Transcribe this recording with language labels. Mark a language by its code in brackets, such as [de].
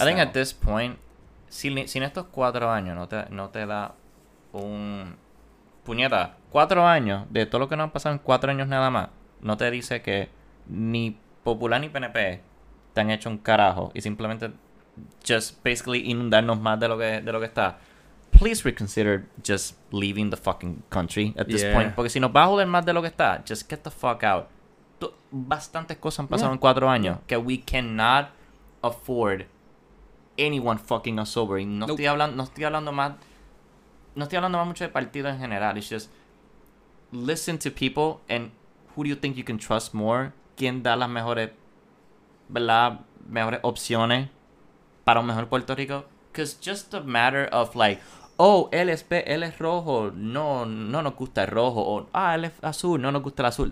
[en] I think at this point, [es] si en estos 4 años no te da un puñeta, 4 años de todo lo que nos han pasado en 4 años nada más, no te dice que ni Popular ni PNP te han hecho un carajo y simplemente [en] just basically [es] inundarnos más de lo que está. [en] Please reconsider just leaving the fucking country at this point. [es] Porque si nos va a joder más de lo que está, [en] just get the fuck out. [es] Bastantes cosas han pasado en 4 años que [en] we cannot afford anyone fucking us over. [es] Y no estoy hablando más mucho de partido en general. [en] It's just listen to people and who do you think you can trust more. [es] ¿Quién da las mejores, verdad, mejores opciones para un mejor Puerto Rico? [en] Because just a matter of like, oh, [es] él es rojo, no nos gusta el rojo. O, ah, él es azul, no nos gusta el azul.